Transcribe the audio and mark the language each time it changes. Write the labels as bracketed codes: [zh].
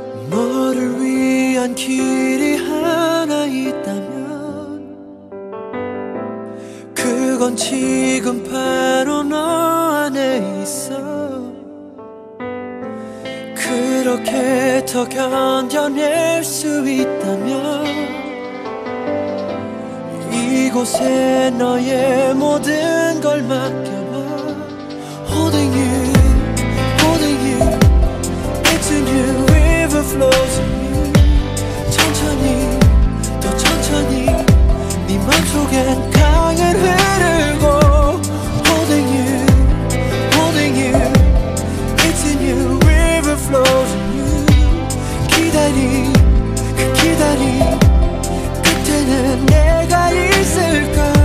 [ko] 너를 위한 길이 하나 있다면 그건 지금 바로 너 안에 있어. 그렇게 더 견뎌낼 수 있다면 이곳에 너의 모든 걸 맡겨봐. [en] Holding you, holding you, it's a new river flows in me. [ko] 천천히, 더 천천히 네 맘속엔 강을 흐르고. [en] Holding you, holding you, it's a new river flows in you. [ko] 기다리, 기다리 끝에는 내가 있을까.